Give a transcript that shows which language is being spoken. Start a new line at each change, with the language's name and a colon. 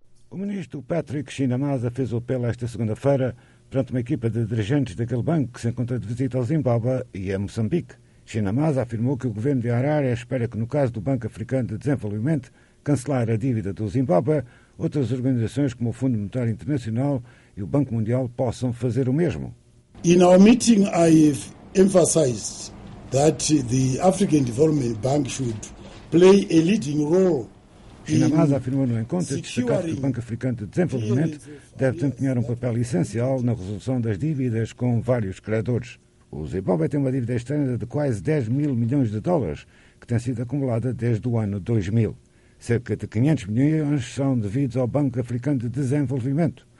Portuguese: O ministro Patrick Chinamaza fez o apelo esta segunda-feira perante uma equipa de dirigentes daquele banco que se encontra de visita ao Zimbábue e a Moçambique. Chinamaza afirmou que o governo de Harare espera que, no caso do Banco Africano de Desenvolvimento, cancelar a dívida do Zimbábue, outras organizações como o Fundo Monetário Internacional e o Banco Mundial possam fazer o mesmo.
English: In our meeting, I emphasized that the African Development Bank should play a leading role.
Portuguese: Chinamasa afirmou no encontro destacar que o Banco Africano de Desenvolvimento deve desempenhar um papel essencial na resolução das dívidas com vários credores. O Zimbábue tem uma dívida externa de quase 10 mil milhões de dólares, que tem sido acumulada desde o ano 2000. Cerca de 500 milhões são devidos ao Banco Africano de Desenvolvimento.